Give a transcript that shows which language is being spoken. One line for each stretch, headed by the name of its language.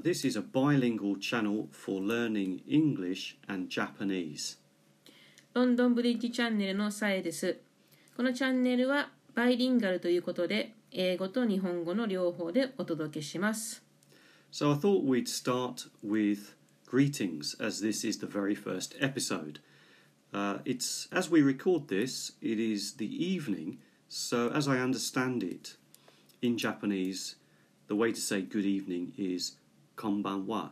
English: This is a bilingual channel for learning English and Japanese.
Japanese: ロンドンブリッジチャンネルのサエです。このチャンネルはバイリンガルということで、英語と日本語の両方でお届けします。
English: So I thought we'd start with greetings, as this is the very first episode. It's, as we record this, it is the evening, so as I understand it, in Japanese, the way to say good evening is konbanwa.